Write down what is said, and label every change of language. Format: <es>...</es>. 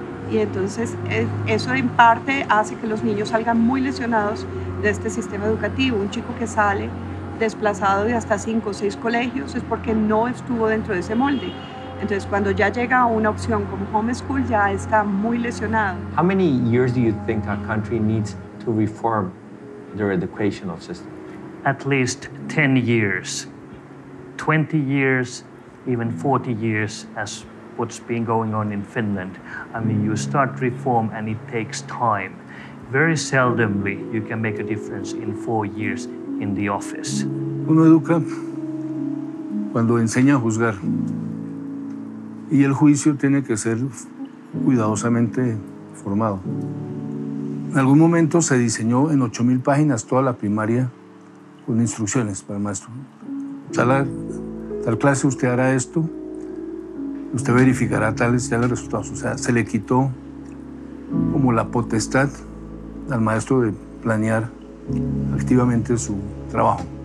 <es>y entonces eso en parte hace que los niños salgan muy lesionados de este sistema educativo. Un chico que sale desplazado de hasta 5 o 6 colegios es porque no estuvo dentro de ese molde. Entonces, cuando ya llega a una opción como homeschool, ya está muy lesionado.</es> <en>How many years do you think a country needs to reform their educational system? At least 10 years, 20 years, even 40 years, as what's been going on in Finland. I mean, you start reform and it takes time. Very seldomly you can make a difference in 4 years in the office.</en> <es>Uno educa cuando enseña a juzgar. Y el juicio tiene que ser cuidadosamente formado. En algún momento se diseñó en 8,000 páginas toda la primaria con instrucciones para el maestro. Tal clase usted hará esto, usted verificará tales y tales resultados. O sea, se le quitó como la potestad al maestro de planear activamente su trabajo.</es>